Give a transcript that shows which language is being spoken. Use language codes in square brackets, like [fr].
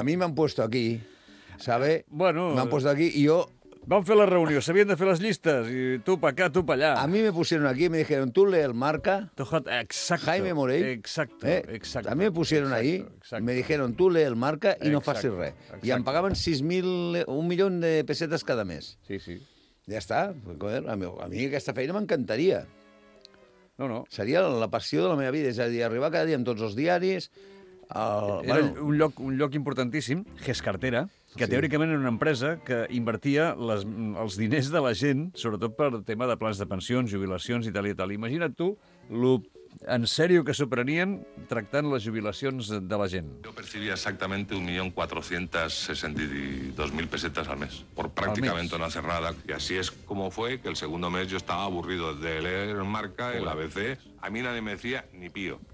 [es] A mi m'han puesto aquí, ¿sabe? Bueno... [ca] M'han puesto aquí i jo... Vam fer la reunió, s'havien de fer les llistes, i tu [es] pa acá, [ca] tu pa allà. [es] A mi me pusieron aquí, me dijeron, tú lee el Marca... Exacto. Jaime Morell. Exacto. A mi me pusieron ahí, me dijeron, tú lee el Marca y [ca] no facis res. [es] Exacto. [ca] I em pagaven 6.000... un milión de pesetas cada mes. Sí, sí. Ja està. A mi aquesta feina m'encantaria. No. Seria la passió de la meva vida. És a dir, arribar cada dia amb tots els diaris... Era un lloc importantíssim, Gescartera, que sí. Teòricament era una empresa que invertia els diners de la gent, sobretot per tema de plans de pensions, jubilacions i tal i tal. Imagina't tu en sèrio que s'ho prenien tractant les jubilacions de la gent. [es] Yo percibía exactamente 1.462.000 pesetas al mes, por prácticamente una cerrada. Y así es como fue que el segundo mes yo estaba aburrido de leer Marca, el ABC. A mí nadie me decía ni pío.